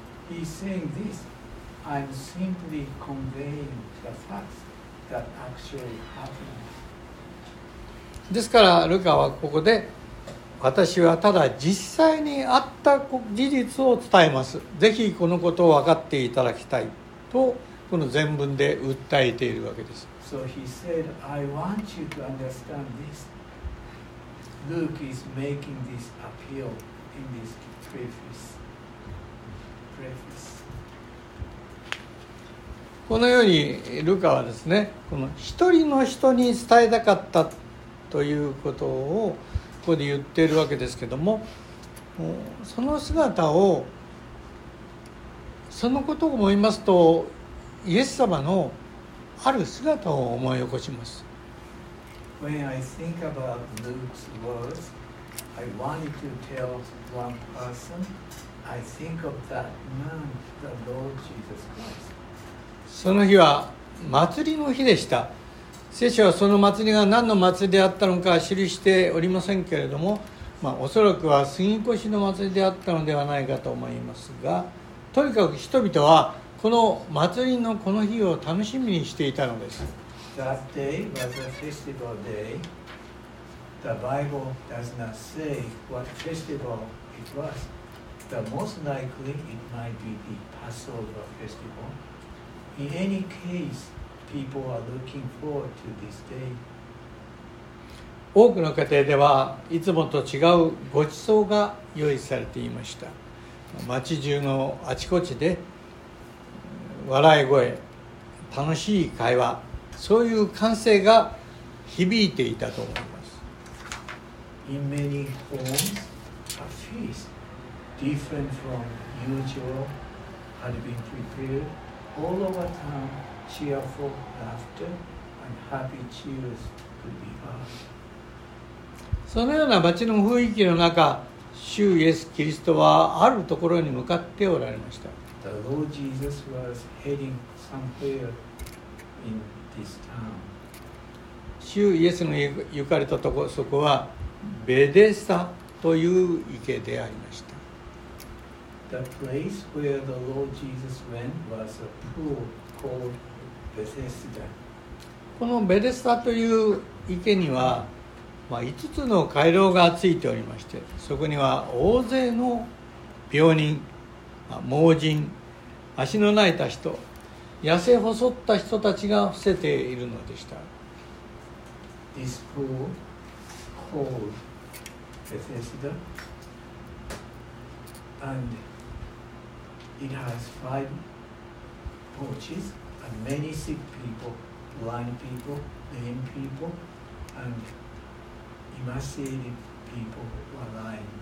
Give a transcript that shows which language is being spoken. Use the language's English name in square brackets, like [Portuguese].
[English] He's saying this, I'm simply conveying the facts that actually happened. [Japanese] ですからルカはここで私はただ実際にあった事実を伝えます、ぜひこのことを分かっていただきたいとこの全文で訴えているわけです。 [English] So he said, I want you to understand this. Luke is making this appeal in this preface. [Japanese] このようにルカはですね、この一人の人に伝えたかったということをここで言っているわけですけども、その姿をそのことを思いますと。イエス様のある姿を思い起こします。 [English] When I think about Luke's words, I wanted to tell one person, I think of that man, the Lord Jesus Christ. [Japanese] その日は祭りの日でした。聖書はその祭りが何の祭りであったのか記しておりませんけれども、まあ、おそらくは杉越の祭りであったのではないかと思いますが、とにかく人々はこの祭りのこの日を楽しみにしていたのです。 [English] That day was a festival day. The Bible does not say what festival it was. The most likely it might be the Passover festival. In any case, people are looking forward to this day. [Japanese] 多くの家庭ではいつもと違うごちそうが用意されていました。町中のあちこちで笑い声、楽しい会話、そういう歓声が響いていたと思います。 [English] In many homes, a feast different from usual had been prepared. All over town, cheerful laughter and happy cheers could be heard. [Japanese] そのような町の雰囲気の中、主イエス・キリストはあるところに向かっておられました。 [English] The Lord Jesus was heading somewhere in this town. [Japanese] 主イエスの行かれたとこ、そこはベデスタという池でありました。 [English] the place where the Lord Jesus went was a pool called Bethesda. [Japanese] このベテスタという池には、まあ、5つの回廊がついておりまして、そこには大勢の病人、まあ、盲人、足のないた人、痩せ細った人たちが伏せているのでした。 [English] This pool called Bethesda, and it has five porches, and many sick people, blind people, lame people, and emaciated people were lying there.